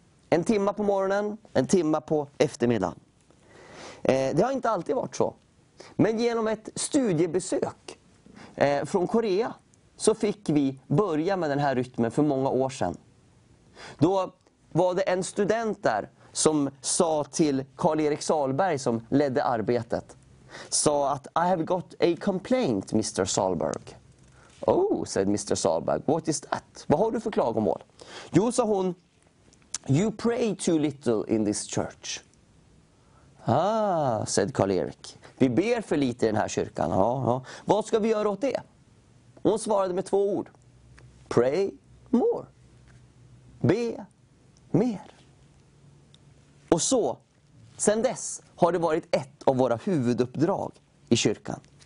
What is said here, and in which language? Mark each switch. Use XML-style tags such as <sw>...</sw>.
<sv>En timma på morgonen, en timma på eftermiddag. Det har inte alltid varit så. Men genom ett studiebesök från Korea så fick vi börja med den här rytmen för många år sedan. Då var det en student där som sa till Karl-Erik Salberg som ledde arbetet. Sa att</sv> <en>"I have got a complaint, Mr. Salberg." "Oh," said Mr. Salberg, "what is that?</en> <sv>Vad har du för klagomål?" "Jo," sa hon,</sv> <en>You pray too little in this church. Ah, said Karl-Erik.</en> <sv>Vi ber för lite i den här kyrkan. Ja, ja. Vad ska vi göra åt det? Hon svarade med två ord.</sv> <en>Pray more.</en> <sv>Be mer. Och så, sen dess har det varit ett av våra huvuduppdrag i kyrkan.</sv>